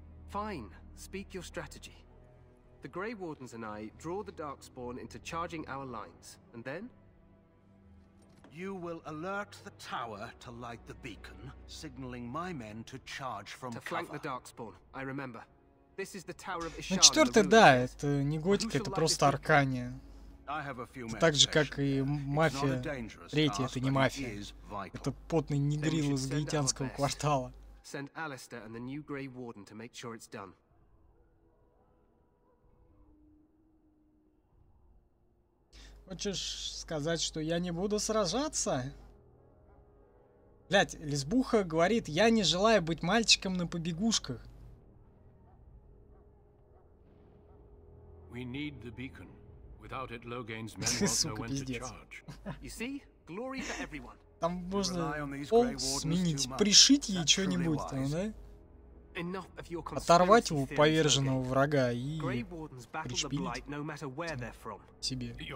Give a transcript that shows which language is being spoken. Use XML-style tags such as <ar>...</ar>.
<en>Fine. Speak your strategy. The Grey Wardens and I draw the Darkspawn into charging our lines. And then? You will alert the tower to light the beacon, signaling my men to charge from cover. To flank the Darkspawn, I remember. This is the Tower of</en> <ru>Ishara. Ну, четвертый, да, это не готика, это просто Аркания. Это так же, как и мафия. Третья, это не мафия. Это потный негрил из гаитянского квартала.</ru> <en>send Alistair and the new Grey Warden to make sure it's done.</en> <ru>Хочешь сказать, что я не буду сражаться? Блять, Лесбуха говорит, я не желаю быть мальчиком на побегушках.</ru> <en>We need the beacon. Without it, Logan's men won't know when to charge. You see, glory for everyone.</en> <ru>Там можно пол сменить, пришить ей что-нибудь там, да? Оторвать у поверженного врага и пришпилить себе.</ru>